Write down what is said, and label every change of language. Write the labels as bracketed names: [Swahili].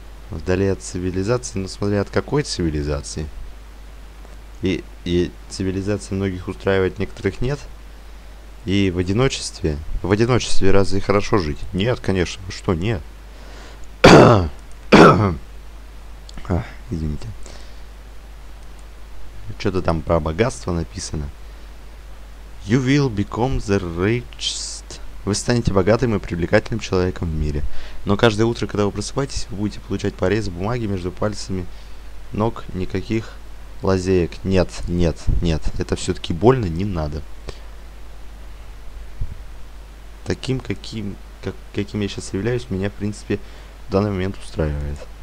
[Russian] Вдали от цивилизации, но смотря от какой цивилизации. И цивилизации многих устраивает, некоторых нет. И в одиночестве. В одиночестве разве хорошо жить? Нет, конечно, что нет? Извините. Что-то там про богатство написано. [English] You will become the richest. [Russian] Вы станете богатым и привлекательным человеком в мире. Но каждое утро, когда вы просыпаетесь, вы будете получать порез бумаги между пальцами ног. Никаких лазеек. Нет, нет, нет. Это все-таки больно, не надо. Таким, каким я сейчас являюсь, меня, в принципе, в данный момент устраивает.